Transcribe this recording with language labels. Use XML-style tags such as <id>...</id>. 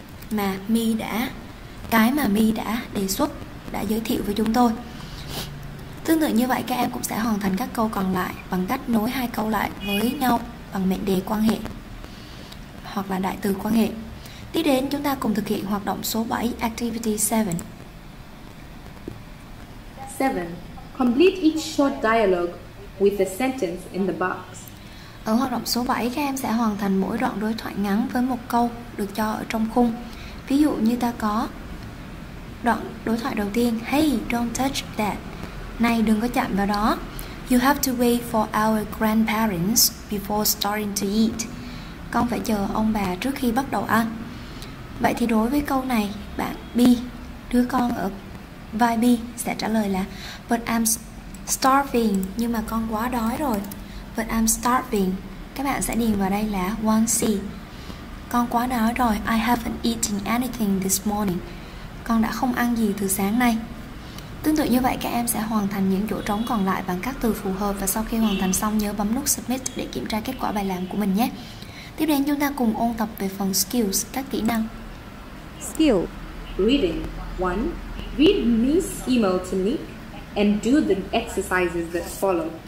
<vi>Mà me đã, cái mà me đã đề xuất, đã giới thiệu với chúng tôi. Tương tự như vậy, các em cũng sẽ hoàn thành các câu còn lại bằng cách nối hai câu lại với nhau bằng mệnh đề quan hệ hoặc là đại từ quan hệ. Tiếp đến, chúng ta cùng thực hiện hoạt động số 7, Activity 7.</vi> <en>7. Complete each short dialogue with a sentence in the box.</en> <vi>Ở hoạt động số 7, các em sẽ hoàn thành mỗi đoạn đối thoại ngắn với một câu được cho ở trong khung. Ví dụ như ta có đoạn đối thoại đầu tiên,</vi> <en>Hey, don't touch that.</en> <vi>Này, đừng có chạm vào đó.</vi> <en>You have to wait for our grandparents before starting to eat.</en> <vi>Con phải chờ ông bà trước khi bắt đầu ăn. Vậy thì đối với câu này, bạn B, đứa con ở vai B sẽ trả lời là</vi> <en>But I'm Starving,</en> <vi>nhưng mà con quá đói rồi.</vi> <en>But I'm starving.</en> <vi>Các bạn sẽ điền vào đây là 1C. Con quá đói rồi.</vi> <en>I haven't eaten anything this morning.</en> <vi>Con đã không ăn gì từ sáng nay. Tương tự như vậy, các em sẽ hoàn thành những chỗ trống còn lại bằng các từ phù hợp, và sau khi hoàn thành xong nhớ bấm nút Submit để kiểm tra kết quả bài làm của mình nhé. Tiếp đến chúng ta cùng ôn tập về phần Skills, các kỹ năng.</vi> <en>Skill Reading 1. Read Miss email to Nick and do the exercises that follow.</en>